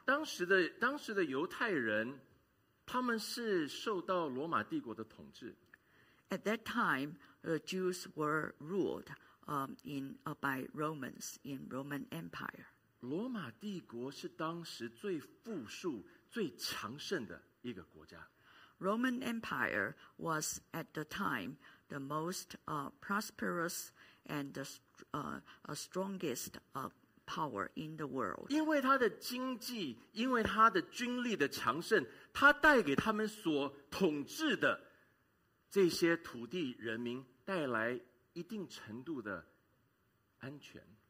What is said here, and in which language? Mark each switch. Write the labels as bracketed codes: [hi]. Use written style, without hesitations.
[zh] 当时的 犹太人, 他们是受到罗马帝国的统治。 [en] At that time, the Jews were ruled by Romans in Roman Empire. [zh] 罗马帝国是当时最富庶、最强盛的一个国家。 [en] Roman Empire was at the time the most prosperous and the strongest power in the world. [zh] 因为他的经济，因为他的军力的强盛，他带给他们所统治的这些土地人民带来一定程度的安全。